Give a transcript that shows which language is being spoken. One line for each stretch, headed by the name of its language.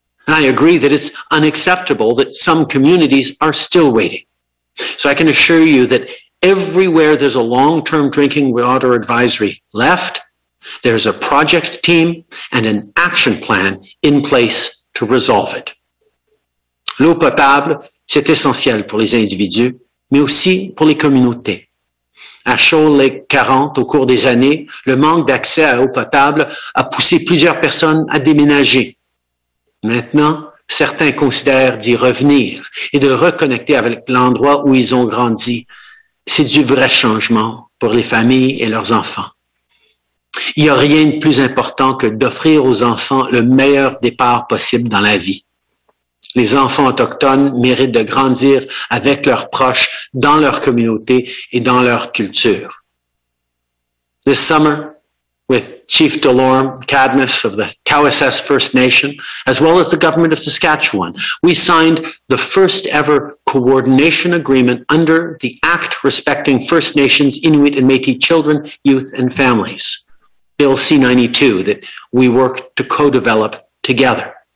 English: And I agree that it's unacceptable that some communities are still waiting. So I can assure you that everywhere there's a long-term drinking water advisory left, there's a project team and an action plan in place to resolve it.
French: L'eau potable, c'est essentiel pour les individus, mais aussi pour les communautés. À Shoal Lake 40, au cours des années, le manque d'accès à eau potable a poussé plusieurs personnes à déménager. Maintenant, certains considèrent d'y revenir et de reconnecter avec l'endroit où ils ont grandi. C'est du vrai changement pour les familles et leurs enfants. Il n'y a rien de plus important que d'offrir aux enfants le meilleur départ possible dans la vie. Les enfants autochtones méritent de grandir avec leurs proches, dans leur communauté et dans leur culture.
English: This summer, with Chief Delorme Cadmus of the Cowessess First Nation, as well as the government of Saskatchewan, we signed the first ever coordination agreement under the Act Respecting First Nations, Inuit and Métis Children, Youth and Families, Bill C-92, that we worked to co-develop together.